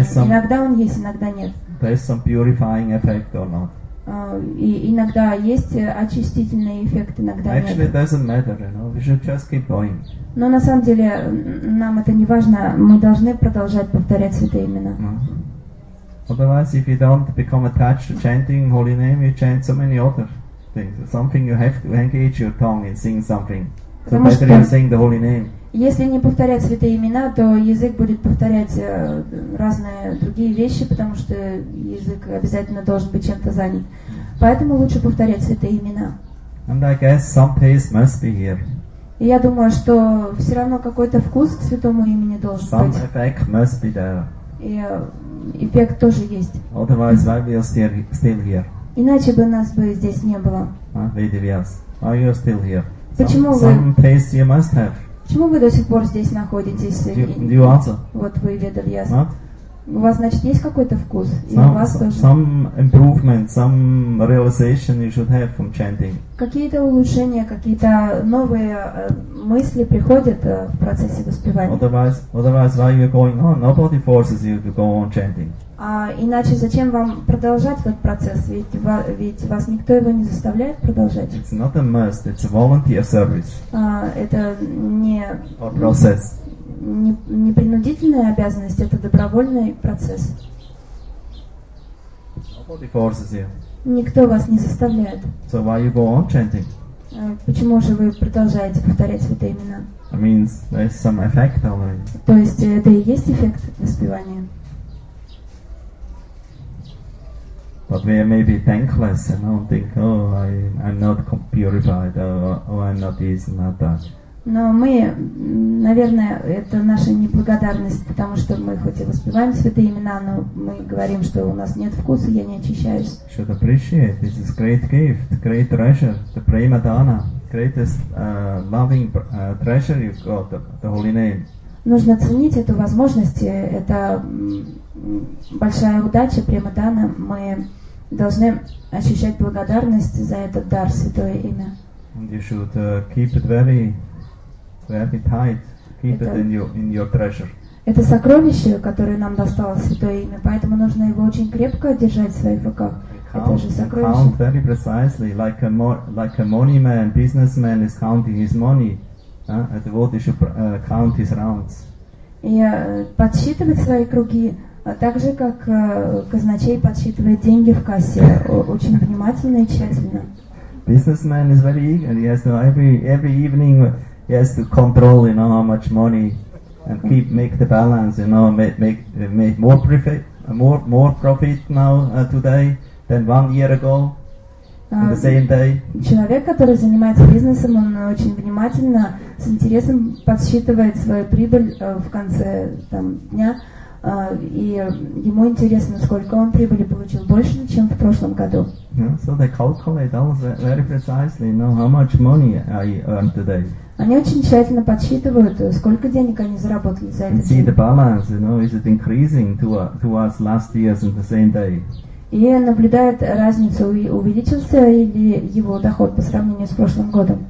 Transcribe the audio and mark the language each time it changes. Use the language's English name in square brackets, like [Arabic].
[Russian] Иногда он есть, иногда нет. [English] There's some purifying effect or not. [Russian] И иногда есть очистительный эффект, иногда нет. [English] Actually, it doesn't matter, you know. We should just keep going. [Russian] Но на самом деле нам это не важно. Мы должны продолжать повторять святые имена. [English] Otherwise, if you don't become attached to chanting holy name, you chant so many other things. Something you have to engage your tongue in singing something. So better you sing the holy name. [Russian] Если не повторять святые имена, то язык будет повторять разные другие вещи, потому что язык обязательно должен быть чем-то занят. Поэтому лучше повторять святые имена. [English] And I guess some taste must be here. [Russian] И я думаю, что все равно какой-то вкус к святому имени должен [English] some [Russian] быть. [English] Some effect must be there. [Russian] И эффект тоже есть. [English] Otherwise, why we are still here? [Russian] Иначе бы нас бы здесь не было. [English] Vidyavyas, why you are still here? [Russian] Почему [English] some taste you must have. [Russian] Почему вы до сих пор здесь находитесь? [English] Do you answer? [Russian] Вот вы, Vidyavyas. У вас, значит, есть какой-то вкус? [English] Some, [Russian] и у вас тоже? [English] Some improvement, some realization you should have from chanting. [Russian] Какие-то улучшения, какие-то новые мысли приходят в процессе воспевания? [English] Otherwise, why you're going on? Nobody forces you to go on chanting. [Russian] А иначе зачем вам продолжать этот процесс? Ведь вас никто его не заставляет продолжать. [English] It's not a must, it's a volunteer service. [Russian] Это не... [English] Or process. [Russian] Не принудительная обязанность, это добровольный процесс. [English] Nobody forces you. [Russian] Никто вас не заставляет. [English] So why you go on chanting? [Russian] Почему же вы продолжаете повторять святые имена? [English] I mean, there's some effect already. [Russian] То есть это и есть эффект воспевания? [English] But we may be thankless and don't think, oh, I'm not purified, oh, I'm not this, not that. [Russian] Но мы, наверное, это наша неблагодарность, потому что мы хоть и воспеваем святые имена, но мы говорим, что у нас нет вкуса, я не очищаюсь. [English] Should appreciate. This is great gift, great treasure, the prima donna, greatest loving treasure you've got, the holy name. [Russian] Нужно ценить эту возможность, это большая удача, прима дана. Мы должны ощущать благодарность за этот дар, святое имя. [English] And you should keep it very... Very tight. Keep it in your treasure. [Russian] Это сокровище, которое нам досталось святое имя, поэтому нужно его очень крепко держать в своих руках. Это же сокровище. [English] Count very precisely, like a money man, businessman is counting his money. A devotee should count his rounds. [Russian] И подсчитывать свои круги, так же как казначей подсчитывает деньги в кассе, очень внимательно и тщательно. [English] Businessman is very eager. He has to every evening. He has to control, you know, how much money and keep make the balance, you know, make more profit now today than 1 year ago in the same day. [Russian] Человек, который занимается бизнесом, он очень внимательно, с интересом подсчитывает свою прибыль в конце там дня, и ему интересно, сколько он прибыли получил больше, чем в прошлом году. [English] Yeah, so they calculate almost very precisely, you know, how much money I earned today. [Russian] Они очень тщательно подсчитывают, сколько денег они заработали за этот день. [English] The balance, you know, is it increasing towards last year's in the same day? [Russian] И наблюдает разницу, увеличился ли его доход по сравнению с прошлым годом?